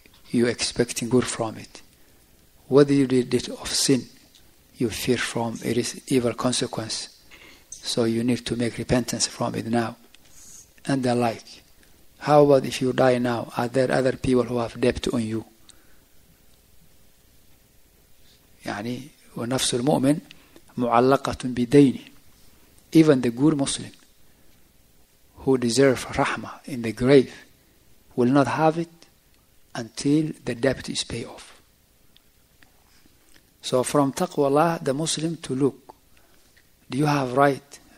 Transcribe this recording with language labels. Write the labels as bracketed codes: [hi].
[en] you expecting good from it. Whether you did it of sin, you fear from it is evil consequence. So you need to make repentance from it now. And the like. How about if you die now? Are there other people who have debt on you? [ar] يعني ونفس المؤمن معلقة بدينه. [en] Even the good Muslim who deserve rahma in the grave will not have it until the debt is paid off. So from taqwa Allah, the Muslim to look, do you have right?